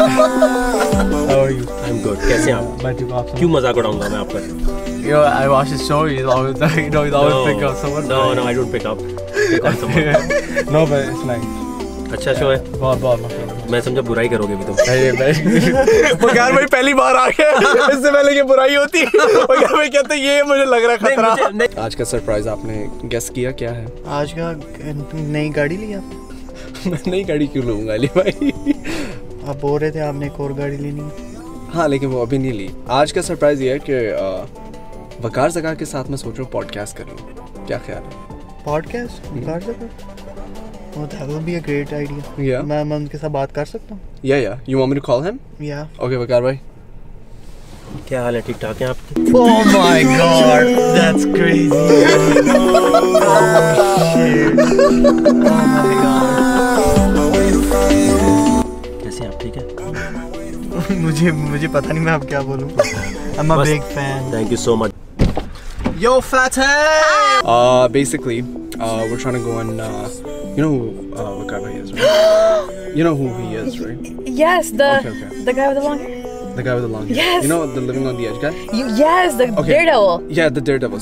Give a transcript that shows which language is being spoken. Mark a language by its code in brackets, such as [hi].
[en] How are you? I'm good. Yes, I am. Why are you laughing? Why are you laughing? Yo, I watch his show. He's always, he's always pick up someone. No, right? No, I don't pick up. Pick on someone. No, but it's nice. [hi] अच्छा show है बहुत मैं समझा बुराई करोगे भी तुम बगैर भाई पहली बार आ गए इससे पहले कि बुराई होती बगैर भाई कहते ये मुझे लग रहा खतरा आज का सरप्राइज आपने गेस किया क्या है आज का नई गाड़ी ली आपने नई गाड़ी क्यों लूंगा ली भाई आप बोल रहे थे आपने एक और गाड़ी लेनी हाँ लेकिन वो अभी नहीं ली आज का सरप्राइज ये है कि वकार जगह के साथ में सोच रहा हूँ पॉडकास्ट कर लूँ क्या ख्याल है [en] Podcast Oh, that will be a great idea. Yeah. [hi] मैं मैं उनके साथ बात कर सकता हूँ. [en] Yeah, yeah. You want me to call him? Yeah. Okay, Waqar bhai. [hi] क्या हाल है ठीक ठाक हैं आपके? [en] Oh my God, that's crazy. Oh shit. Oh my God. [hi] कैसे हैं आप ठीक हैं? मुझे पता नहीं मैं आप क्या बोलूँ. [en] I'm a big fan. Thank you so much. Yo, fathead. Basically, we're trying to go and. You know who Waqar bhai is, right? You know who he is, right? Yes, the okay. The guy with the long hair. Yes. You know the Living on the Edge guy? Yes, daredevil. Yeah, the daredevil.